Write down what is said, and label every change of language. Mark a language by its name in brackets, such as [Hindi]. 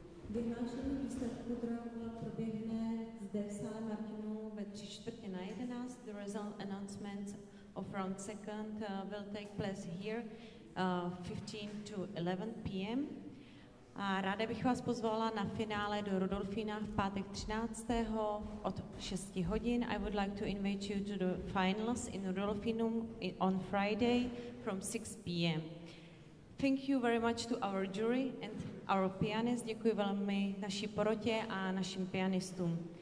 [Czech] Vyhlášení výsledku druhého kola proběhne zde v sále Martinů ve 10:45. [English] The result announcement of round second will take place here 15 to 11 p.m. [Czech] A ráda bych vás pozvala na finále do Rudolfína v pátek 13. od 6 hodin. [English] I would like to invite you to the finals in Rudolfinum on Friday from 6 p.m. Thank you very much to our jury and our pianist. [Czech] Děkuji velmi naší porotě a našim pianistům.